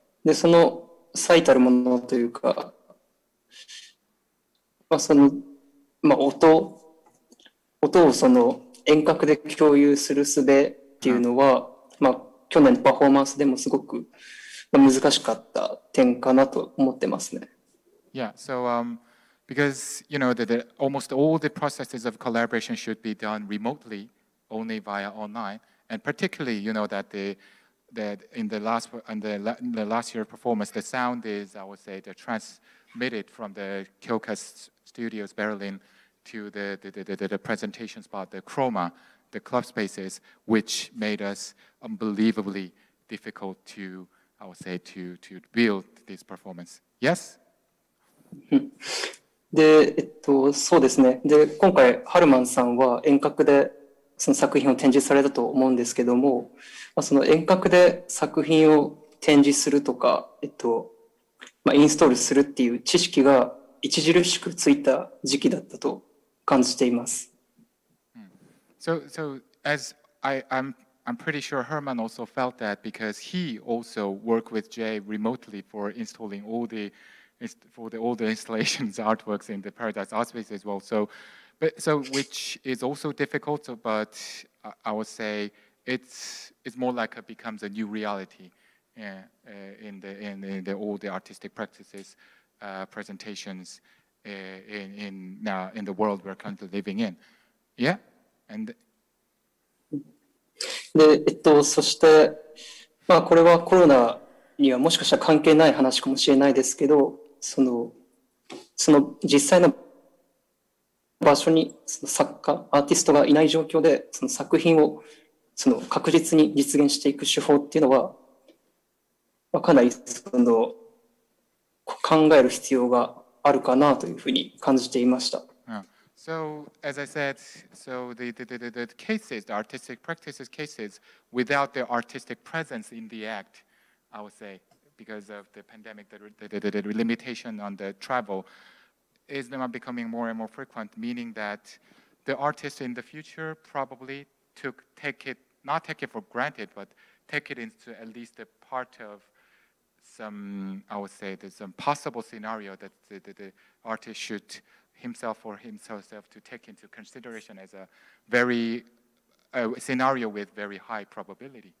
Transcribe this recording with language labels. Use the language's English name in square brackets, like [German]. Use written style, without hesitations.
[Japanese] で、その最たるものというか、まあ、その、まあ、音をその遠隔で共有する術っていうのは、うん、まあ、去年のパフォーマンスでもすごく難しかった点かなと思ってますね。 [English] Yeah, so because you know that almost all the processes of collaboration should be done remotely, only via online, and particularly you know that the last year performance, the sound is, I would say, the transmitted from the Kyokas Studios Berlin to the presentation spot, the Chroma, the club spaces, which made us unbelievably difficult to, I would say, to build this performance. Yes? [Japanese] で、そうですね。で、今回、ハルマンさんは遠隔でその作品を展示されたと思うんですけども、まあ、その遠隔で作品を展示するとか、まあ、インストールするっていう知識が著しくついた時期だったと感じています。 Mm. [English] So as I'm pretty sure Herman also felt that because he also worked with Jay remotely for installing all the installations, artworks in the Paradise Art Space as well. So which is also difficult, but I would say it's more like it becomes a new reality. In all the artistic practices, presentations, in now in the world we're currently living in, yeah, and. [Japanese] で、そして、まあこれはコロナにはもしかしたら関係ない話かもしれないですけど、その実際の場所にその作家、アーティストがいない状況で、その作品をその確実に実現していく手法っていうのは。かなりその考える必要があるかなというふうに感じていました。 [English] So, as I said, so the cases, the artistic practices cases, without the artistic presence in the act, I would say, because of the pandemic, the limitation on the travel, is now becoming more and more frequent, meaning that the artist in the future probably take it for granted, but take it into at least a part of some, I would say, there's some possible scenario that the artist should himself or himself to take into consideration as a very scenario with very high probability.